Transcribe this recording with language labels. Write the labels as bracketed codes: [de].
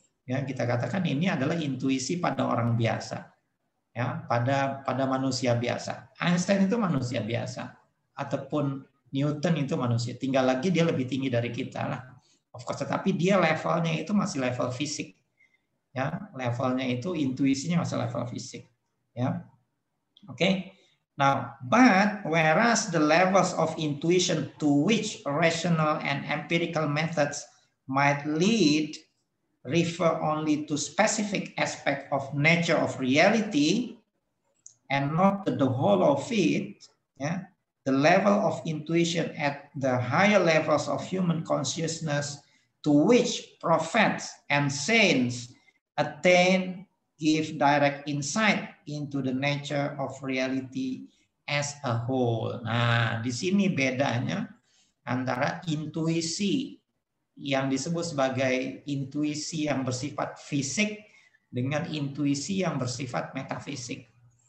[id] Ya kita katakan ini adalah intuisi pada orang biasa, ya pada manusia biasa. Einstein itu manusia biasa ataupun Newton itu manusia. Tinggal lagi dia lebih tinggi dari kita lah. [en] Of course, [id] tetapi dia levelnya itu masih level fisik, ya. Levelnya itu intuisinya masih level fisik, ya. [en] Okay. Now, but whereas the levels of intuition to which rational and empirical methods might lead refer only to specific aspect of nature of reality and not to the whole of it, yeah. The level of intuition at the higher levels of human consciousness to which prophets and saints attain give direct insight into the nature of reality as a whole. [id] Nah, di sini bedanya antara intuisi yang disebut sebagai intuisi yang bersifat fisik dengan intuisi yang bersifat metafisik.